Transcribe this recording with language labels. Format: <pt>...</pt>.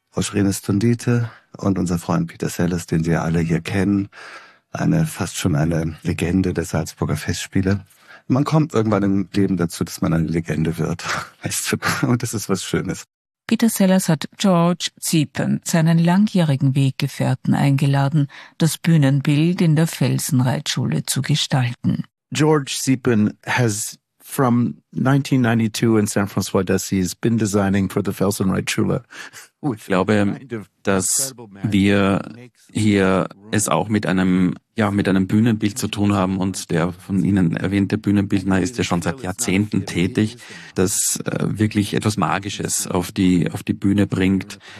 <de>Oschrine Stundite und unser Freund Peter Sellers, den Sie alle hier kennen, fast schon eine Legende der Salzburger Festspiele. Man kommt irgendwann im Leben dazu, dass man eine Legende wird, weißt du, und das ist was Schönes. Peter Sellers hat George Ziepen, seinen langjährigen Weggefährten, eingeladen, das Bühnenbild in der Felsenreitschule zu gestalten.</de> <en>George Ziepen has from 1992 in San Francois d'Assise been designing for the Felsenreitschule.</en> <de>Ich glaube, dass wir hier es auch mit einem Bühnenbild zu tun haben und der von Ihnen erwähnte Bühnenbildner ist ja schon seit Jahrzehnten tätig, das wirklich etwas Magisches auf die Bühne bringt.</de>